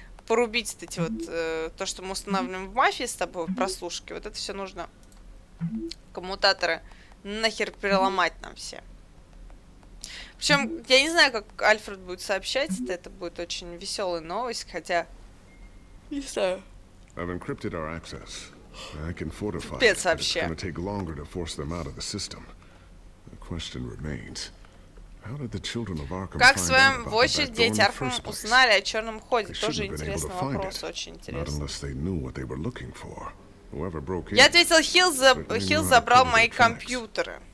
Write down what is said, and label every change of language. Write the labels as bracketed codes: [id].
[ru] порубить эти вот то, что мы устанавливаем в мафии с тобой, в прослушке. Вот это все нужно. Коммутаторы нахер переломать нам все. Причем, я не знаю, как Альфред будет сообщать это. Это будет очень веселая новость, хотя. Не знаю. [en] I've encrypted our access. I can fortify. [ru] Пипец вообще. [en] It's gonna take longer to force them out of the system. The question remains. How did the children of Arkham find out about the back door in the first place? [ru] Как в свою очередь дети Аркхема узнали о черном ходе? Тоже интересный вопрос, очень интересный. [en] Not unless they knew what they were looking for. Whoever broke in. [ru] Я ответил, Хилл забрал мои компьютеры.